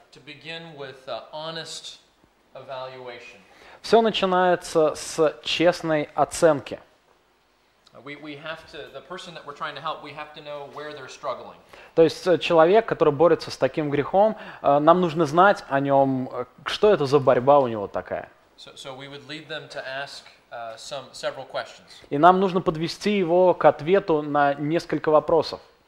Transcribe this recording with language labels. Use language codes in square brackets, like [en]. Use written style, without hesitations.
[en] To begin with honest evaluation. [ru] Все начинается с честной оценки. То есть человек, который борется с таким грехом, нам нужно знать о нем, что это за борьба у него такая. [en] So we would lead them to ask several questions. [ru] И нам нужно подвести его к ответу на несколько вопросов.